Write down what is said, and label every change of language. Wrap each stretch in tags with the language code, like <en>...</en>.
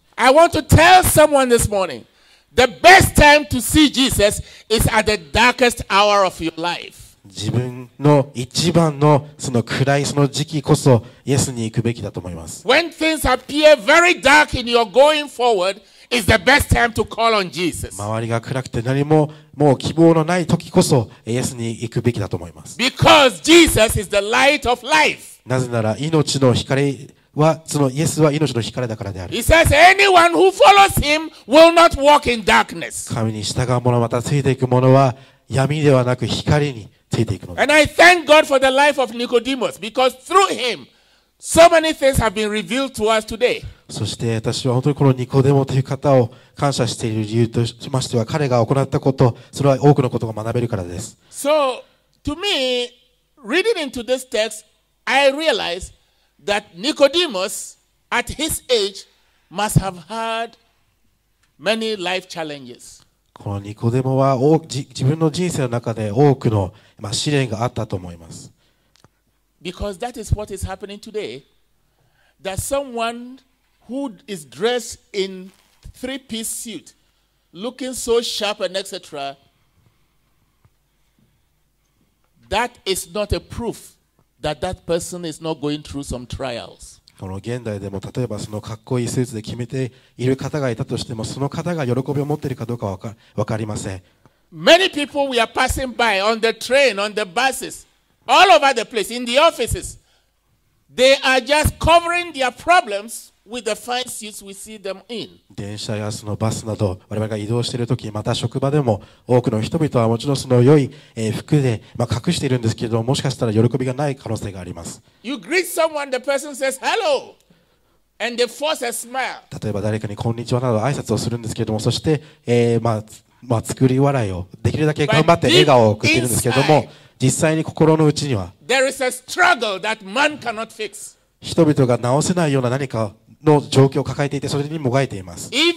<en>I want to tell someone this morning, the best time to see Jesus is at the darkest hour of your life.</en> <ja>自分の一番のその暗いその時期こそイエスに行くべきだと思います。</ja> <en>When things appear very dark in your going forward, is the best time to call on Jesus.</en> <ja>周りが暗くて何ももう希望のない時こそイエスに行くべきだと思います。</ja> <en>Because Jesus is the light of life.</en> <ja>なぜなら命の光はそのイエスは命の光だからである。</ja> <en>He says, anyone who follows him will not walk in darkness.</en> <ja>神に従う者またついていく者は闇ではなく光についていくのだ。</ja> <en>And I thank God for the life of Nicodemus because through him, so many things have been revealed to us today.</en> <ja>そして私は本当にこのニコデモという方を感謝している理由としましては彼が行ったこと、それは多くのことが学べるからです。</ja> <en>So, to me, reading into this text, I realize that Nicodemus, at his age, must have had many life challenges.</en> <ja>このニコデモは自分の人生の中で多くの試練があったと思います。</ja> <en>Because that is what is happening today, that someone who is dressed in three-piece suit, looking so sharp and etc., that is not a proof that that person is not going through some trials.</en> <ja>この現代でも例えばそのかっこいいスーツで決めている方がいたとしても、その方が喜びを持っているかどうかは分かりません。</ja> <en>Many people we are passing by on the train, on the buses. All over the place, in the offices, they are just covering their problems with the fine suits we see them in.</en> <ja>電車やそのバスなど、我々が移動しているとき、また職場でも、多くの人々はもちろんその良い服で隠しているんですけれども、もしかしたら喜びがない可能性があります。</ja> <en>You greet someone, the person says hello, and they force a smile.</en> <ja>例えば誰かにこんにちはなど挨拶をするんですけれども、そして、作り笑いを、できるだけ頑張って笑顔を送っているんですけれども、実際に心の内には人々が治せないような何かの状況を抱えていて、それにもがいています。</ja>